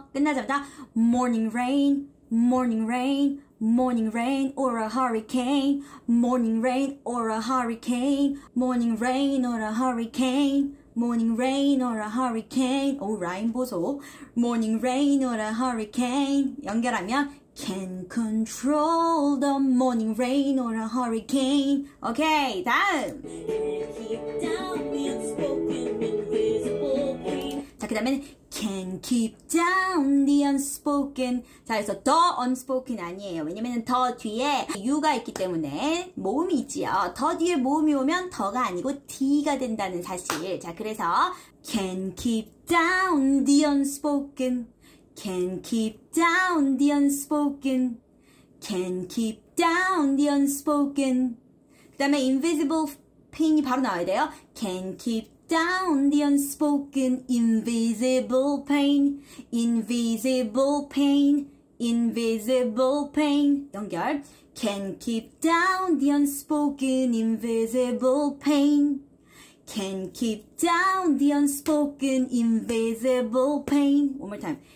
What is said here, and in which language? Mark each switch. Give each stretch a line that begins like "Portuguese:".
English: 끝나자마자 morning rain, morning rain, morning rain or a hurricane, morning rain or a hurricane, morning rain or a hurricane, morning rain or a hurricane.
Korean: 오, 라임 보소.
English: Morning rain or a hurricane.
Korean: 연결하면
English: Can control the morning rain or a hurricane.
Korean: Okay, 다음.
English: Keep down the unspoken invisible pain.
Korean: 자, 그 다음에는
English: Can keep down the unspoken.
Korean: 자, 그래서
English: the unspoken
Korean: 아니에요. 왜냐면 the 뒤에 U가 있기 때문에 모음이 있지요. the 뒤에 모음이 오면 the가 아니고 D가 된다는 사실. 자, 그래서
English: Can keep down the unspoken. Can keep down the unspoken. Can keep down the unspoken.
Korean: 그 다음에
English: invisible pain
Korean: 이 바로 나와야 돼요.
English: Can keep down the unspoken. Invisible pain. Invisible pain. Invisible pain. 연결. Can keep down the unspoken. Invisible pain. Can keep down the unspoken. Invisible pain. One more time.